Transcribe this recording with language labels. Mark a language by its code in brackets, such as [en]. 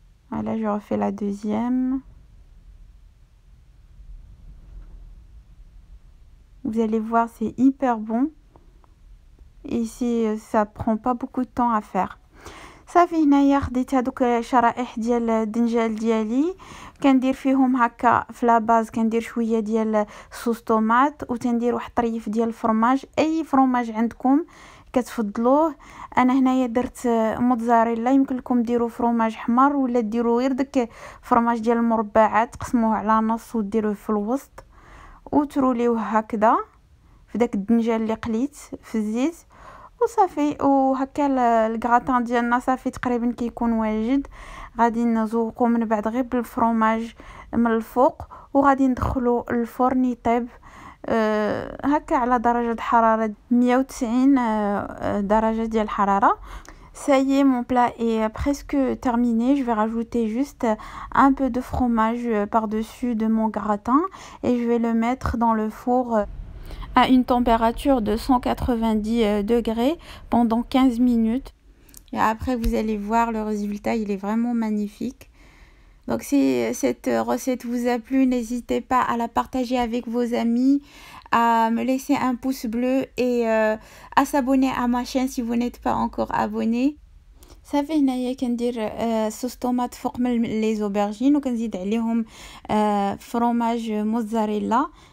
[fr] Voilà, je refais la deuxième. Vous allez voir, c'est hyper bon. Et si ça prend pas beaucoup de temps à faire. [ar] صافي هنايا خديت هذوك الشرائح ديال الدنجال ديالي كندير فيهم هكا في لا باز كندير شويه ديال صوص طوماط وتندير واحد طريف ديال الفرماج اي فرماج عندكم كتفضلوه. انا هنايا درت موتزاريلا يمكن لكم ديروا فرماج حمر ولا ديروا غير داك فرماج ديال المربعات تقسموه على نص وديروه في الوسط وتروليوه هكذا في داك الدنجال اللي قليت في الزيت وصافي. وهكا الغراتان ديالنا صافي تقريبا كيكون واجد. غادي نزوقو من بعد غير بالفرماج من الفوق وغادي ندخلو الفرن يطيب هكا على درجة حرارة 190 درجة ديال الحرارة. [fr] Ça y est, mon plat est presque terminé. Je vais rajouter juste un peu de fromage par-dessus de mon gratin et je vais le mettre dans le four à une température de 190 degrés pendant 15 minutes. Et après, vous allez voir le résultat, il est vraiment magnifique. Donc, si cette recette vous a plu, n'hésitez pas à la partager avec vos amis, à me laisser un pouce bleu et à s'abonner à ma chaîne si vous n'êtes pas encore abonné. [ar] صافي هنايا كندير صوص طوماط فوق من لي زوبرجين وكنزيد عليهم فرماج موزاريلا.